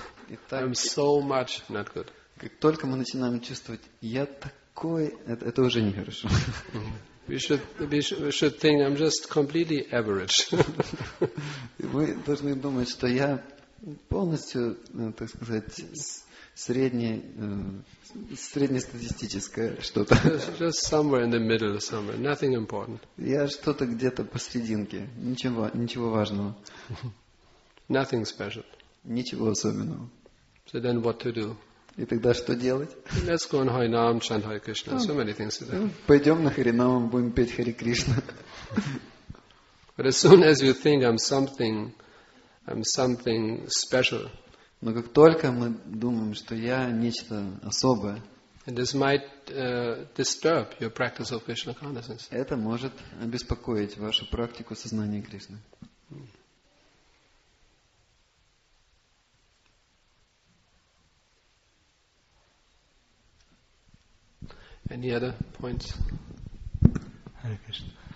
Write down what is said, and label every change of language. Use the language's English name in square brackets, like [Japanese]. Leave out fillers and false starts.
[Russian] Итак, [English] I'm so much not good. [Russian] Как только мы начинаем чувствовать, я такой, это уже нехорошо. [English] We should think I'm just completely average. [Russian] Мы должны думать, что я полностью, так сказать, среднестатистическое что-то. [English] Just somewhere in the middle, somewhere, nothing important. [Russian] Я что-то где-то посерединке, ничего важного. [English] Nothing special. [Russian] Ничего особенного. [English] So then, what to do? [Russian] И тогда что делать? [English] Let's go on Harinam, chant Hare Krishna. So many things to do. [Russian] Пойдем на Харинаму, будем петь Хари Кришна. [English] But as soon as you think I'm something special. [Russian] Но как только мы думаем, что я нечто особое, [English] and this might disturb your practice of Krishna consciousness. [Russian] Это может обеспокоить вашу практику сознания Кришны. [English] Any other points? Hare Krishna.